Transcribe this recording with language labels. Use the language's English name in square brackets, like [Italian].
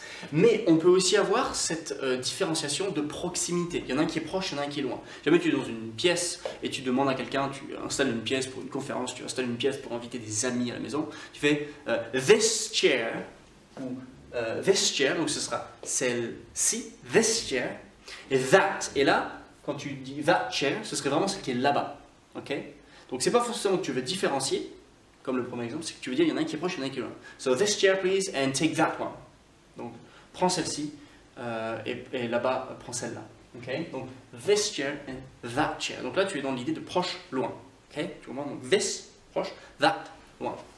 [French] mais on peut aussi avoir cette différenciation de proximité, il y en a un qui est proche, il y en a un qui est loin, jamais tu es dans une pièce et tu demandes à quelqu'un, tu installes une pièce pour une conférence, tu installes une pièce pour inviter des amis à la maison, tu fais this chair, ou this chair, donc ce sera celle-ci, this chair, et that, et là, quand tu dis that chair, ce serait vraiment celle qui est là-bas, ok? Donc c'est pas forcément que tu veux différencier, comme le premier exemple, c'est que tu veux dire il y en a un qui est proche, il y en a un qui est loin. [English] So this chair please, and take that one. [French] Donc prends celle-ci, et là-bas, prends celle-là, ok? [English] Donc this chair and that chair. [French] Donc là, tu es dans l'idée de proche, loin, ok? Tu comprends? Donc this, proche, that, loin.